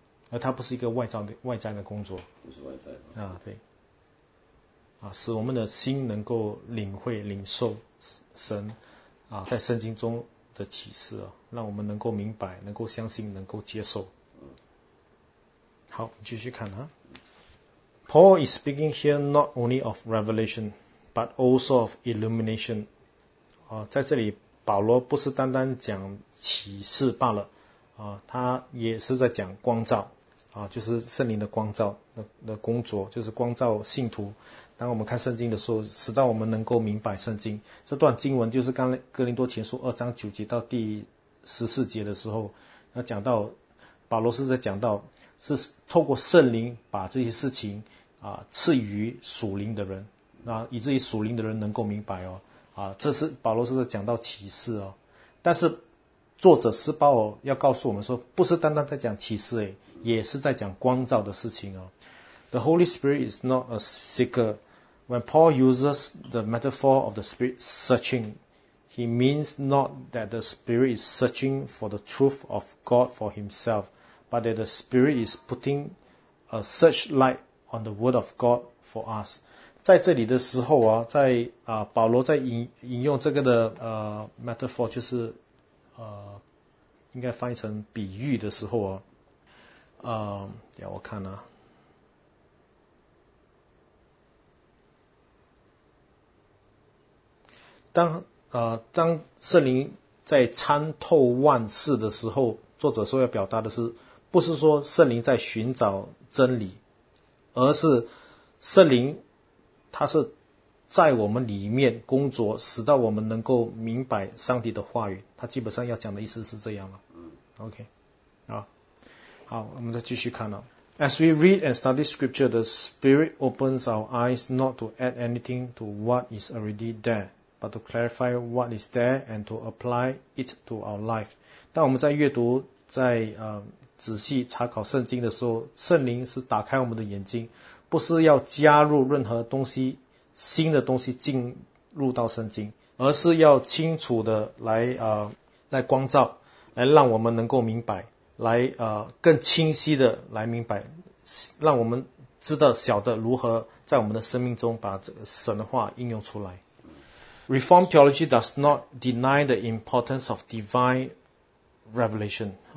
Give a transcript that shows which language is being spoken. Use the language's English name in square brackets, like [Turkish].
[Chinese] 而它不是一个外在的工作。不是外在的。对。使我们的心能够领会、领受神。在圣经中的启示啊，让我们能够明白，能够相信，能够接受。好，继续看啊。 [English] Paul is speaking here not only of revelation, but also of illumination. [Chinese] 在这里保罗不是单单讲启示罢了，他也是在讲光照，就是圣灵的光照的工作，就是光照信徒。当我们看圣经的时候，使到我们能够明白圣经。这段经文就是刚才哥林多前书2章9节到第14节的时候，要讲到保罗是在讲到是透过圣灵把这些事情赐予属灵的人，那以至于属灵的人能够明白哦。这是保罗是在讲到启示哦。但是作者施保罗要告诉我们说，不是单单在讲启示，也是在讲光照的事情哦。 [English] The Holy Spirit is not a seeker. When Paul uses the metaphor of the Spirit searching, he means not that the Spirit is searching for the truth of God for himself, but that the Spirit is putting a searchlight on the Word of God for us. [Chinese] 在这里的时候啊，在保罗在引用这个的metaphor， 就是应该翻译成比喻的时候啊，让我看啊。当圣灵在参透万事的时候，作者说要表达的是，不是说圣灵在寻找真理，而是圣灵他是在我们里面工作，使到我们能够明白上帝的话语。他基本上要讲的意思是这样了。OK， 好，我们再继续看了。 [English] As we read and study scripture, the Spirit opens our eyes not to add anything to what is already there. But to clarify what is there and to apply it to our life. [Chinese] 当我们在阅读，在仔细查考圣经的时候，圣灵是打开我们的眼睛，不是要加入任何东西，新的东西进入到圣经，而是要清楚的来光照，来让我们能够明白，来更清晰的来明白，让我们知道晓得如何在我们的生命中把这个神的话应用出来。 [English] Reformed theology does not deny the importance of divine revelation.